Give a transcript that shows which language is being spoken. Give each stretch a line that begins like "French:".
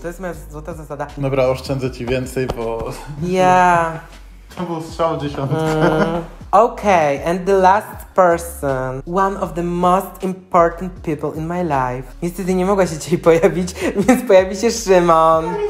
Polish: To jest moja złota zasada. Dobra, oszczędzę ci więcej, bo...
English: Yeah.
Polish: To był strzał dziesiątka.
English: Okay, and the last person. One of the most important people in my life.
Polish: Niestety nie mogła się dzisiaj pojawić, więc pojawi się Szymon.